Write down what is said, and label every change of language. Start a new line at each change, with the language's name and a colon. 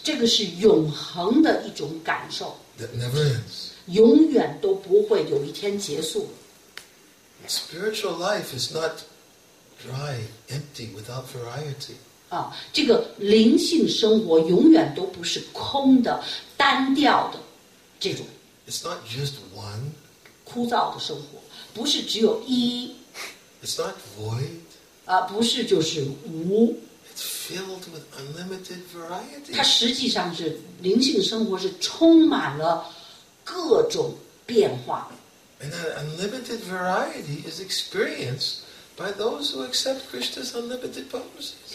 Chinese: 这个是永恒的一种感受。
English: That never ends.
Chinese: 永远都不会有一天结束。
English: Spiritual life is not dry, empty, without variety.
Chinese: 啊，这个灵性生活永远都不是空的、单调的这种。
English: It's not just one.
Chinese: 枯燥的生活不是只有一
English: It's not void.
Chinese: 啊，不是就是无
English: It's filled with unlimited variety.
Chinese: 它实际上是灵性生活是充满了各种变化
English: And that unlimited variety is experienced by those who accept Krishna's unlimited promises.